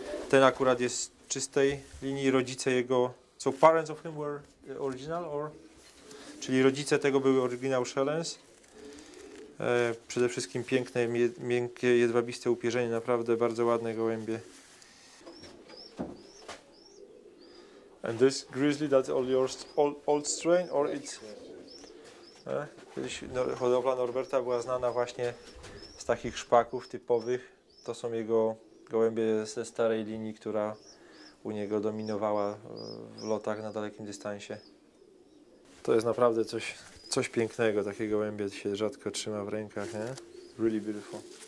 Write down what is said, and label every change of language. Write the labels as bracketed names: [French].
[Polish] Ten akurat jest z czystej linii, rodzice jego, [English] so parents of him were original, or? [Polish] Czyli rodzice tego były oryginał Szelens. Przede wszystkim piękne, miękkie, jedwabiste upierzenie, naprawdę bardzo ładne gołębie. [English] And this grizzly, that's all your old strain, or it's... [Polish] Kiedyś hodowla Norberta była znana właśnie z takich szpaków typowych. To są jego gołębie ze starej linii, która u niego dominowała w lotach na dalekim dystansie. To jest naprawdę coś pięknego. Takie gołębie się rzadko trzyma w rękach, nie? [English] Really beautiful.